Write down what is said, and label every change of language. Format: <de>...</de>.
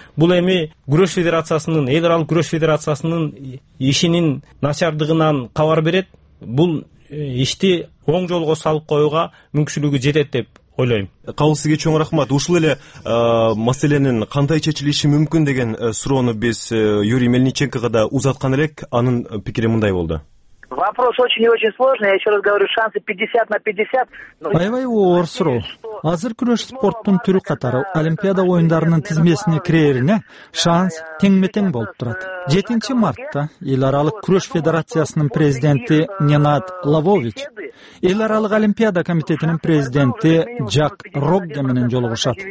<ky>Бул эми күрөш федерациясынын, эл аралык күрөш федерациясынын ишинин начардыгынан кабар берет. Бул ишти оң жолго салып коюуга мүмкүнчүлүгү жетет деп ойлойм. Кабыл, сизге чоң рахмат. Ушул эле маселенин кандай чечилиши мүмкүн деген суроону биз Юрий Мельниченкого да узаткан элек, анын пикири мындай болду.</ky> <ru>Вопрос очень и очень сложный, я еще раз говорю, шансы 50 на 50.</ru> <ky>Аябай оор суроо. Азыр күрөш спорттун түрү катары олимпиада оюндарынын тизмесине кирээрине шанс теңме-тең болуп турат. 7 мартта эл аралык күрөш федерациясынын президенти Ненад Лавович эл аралык олимпиада комитетинин президенти Жак Рогге менен жолугушат.</ky>